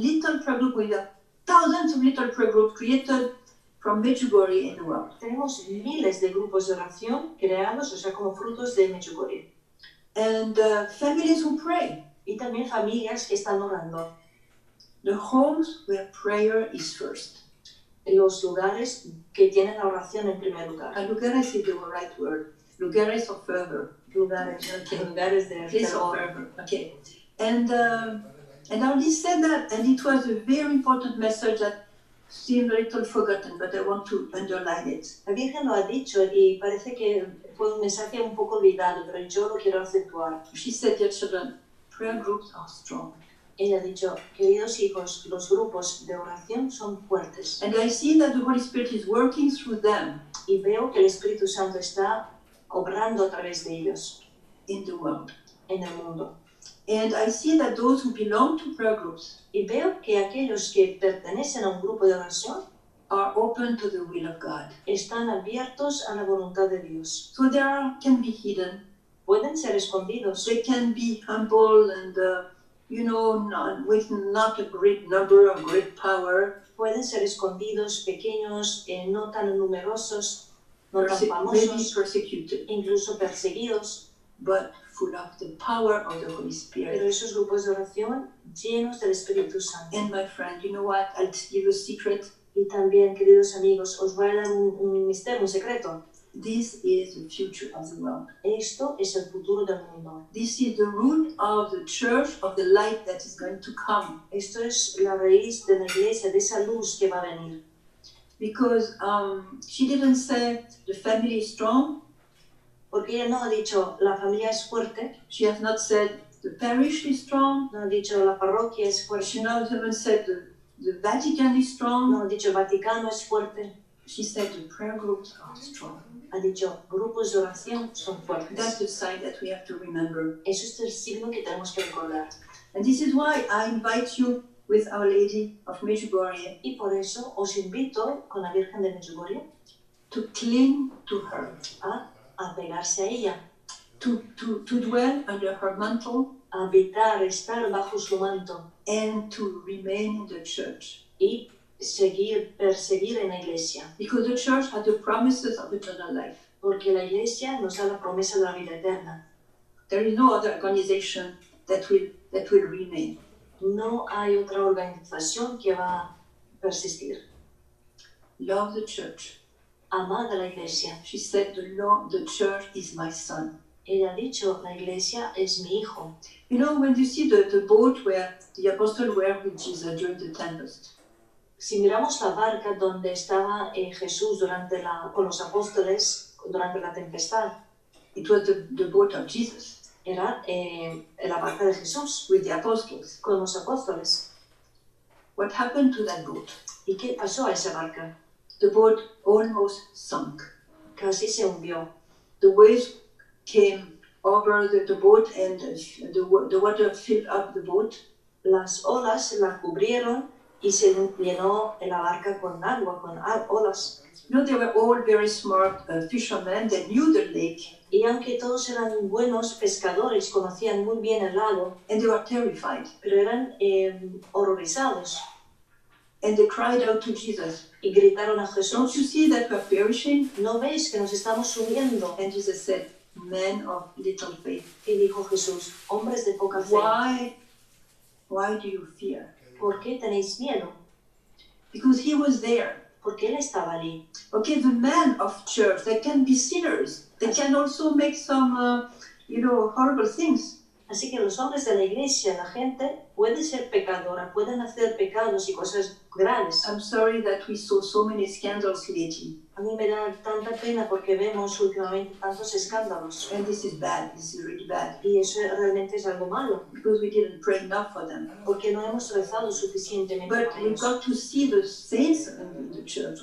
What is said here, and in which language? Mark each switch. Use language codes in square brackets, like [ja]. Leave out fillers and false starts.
[en] little prayer group with thousands of little prayer groups created from Medjugorje in the world. [es] Tenemos miles de grupos de oración creados, o sea, como frutos de Medjugorje. [en] And families who pray. [es] Y también familias que están orando. [en] The homes where prayer is first. [es] Los lugares que tienen la oración en primer lugar. [en] And lugares is the right word. Lugares of fervor. [es] Lugares, okay. Lugares de fervor. [en] Okay. And I only said that, and it was a very important message that seemed a little forgotten, but I want to underline it. [es] La Virgen lo ha dicho y parece que fue un mensaje un poco olvidado, pero yo lo quiero acentuar. [en] She said, dear children, prayer groups are strong. [es] Ella ha dicho, queridos hijos, los grupos de oración son fuertes. [en] And I see that the Holy Spirit is working through them. [es] Y veo que el Espíritu Santo está obrando a través de ellos. [en] In the world. [es] En el mundo. [en] And I see that those who belong to prayer groups. [es] Y veo que aquellos que pertenecen a un grupo de oración [en] are open to the will of God. [es] Están abiertos a la voluntad de Dios. [en] So they are, can be hidden. [es] Pueden ser escondidos. [en] They can be humble and, you know, not, with not a great number or great power. [es] Pueden ser escondidos, pequeños, no tan numerosos, no tan famosos, [en] persecuted. [es] Incluso perseguidos. [en] But full of the power of the Holy Spirit. [es] Pero esos grupos de oración llenos del Espíritu Santo. [en] And my friend, you know what? I'll tell you a secret. [es] Y también, queridos amigos, os voy a dar un misterio, un secreto. [en] This is the future of the world. [es] Esto es el futuro del mundo. [en] This is the root of the church of the light that is going to come. [es] Esto es la raíz de la iglesia, de esa luz que va a venir. [en] Because she didn't say the family is strong. [es] Porque ella no ha dicho la familia es fuerte. [en] She has not said the parish is strong. [es] No ha dicho la parroquia es fuerte. [en] She has not said the Vatican is strong. [es] No ha dicho el Vaticano es fuerte. [en] She said the prayer groups are strong. [es] Ha dicho grupos de oración son fuertes. [en] That's the sign that we have to remember. [es] Eso es el signo que tenemos que recordar. [en] And this is why I invite you with Our Lady of Medjugorje. [es] Y por eso os invito con la Virgen de Medjugorje [en] to cling to her. [es] A pegarse a ella, [en] to dwell under her mantle, [es] habitar, estar bajo su manto, [en] and to remain in the church, [es] y seguir, perseguir en la iglesia, [en] because the church has the promises of eternal life, [es] porque la iglesia nos da la promesa de la vida eterna. [en] There is no other organization that will remain. [es] No hay otra organización que va a persistir. [en] Love the church. [es] Amada la iglesia. [en] She said, the Lord, the church is my son. [es] Ella ha dicho, la iglesia es mi hijo. [en] You know, when you see the boat where the apostles were with Jesus during the tempest. [es] Si miramos la barca donde estaba Jesús durante con los apóstoles durante la tempestad. [en] It was the boat of Jesus. [es] Era la barca de Jesús. [en] With the apostles. [es] Con los apóstoles. [en] What happened to that boat? [es] ¿Y qué pasó a esa barca? [en] The boat almost sunk. [es] Casi se hundió. [en] The waves came over the boat and the water filled up the boat. [es] Las olas la cubrieron y se llenó la barca con agua, con olas. [en] You know, they were all very smart fishermen that knew the lake. [es] Y aunque todos eran buenos pescadores, conocían muy bien el lago. [en] And they were terrified. [es] Pero eran horrorizados. [en] And they cried out to Jesus. [es] Y gritaron a Jesús. [en] Don't you see that we're perishing? [es] ¿No veis que nos estamos hundiendo? [en] And Jesus said, men of little faith. [es] Y dijo Jesús, hombres de poca fe. [en] Why do you fear? [es] ¿Por qué tenéis miedo? [en] Because he was there. [es] Porque él estaba allí. [en] Okay, the men of church, they can be sinners. They can also make some, you know, horrible things. [es] Así que los hombres de la iglesia, la gente, puede ser pecadora, pueden hacer pecados y cosas graves. [en] I'm sorry that we saw so many scandals lately. [es] A mí me da tanta pena porque vemos últimamente tantos escándalos. [en] And this is bad. This is really bad. [es] Y eso realmente es algo malo. [en] Because we didn't pray enough for them. [es] Porque no hemos rezado suficientemente. [en] But we've got to see the saints in the church.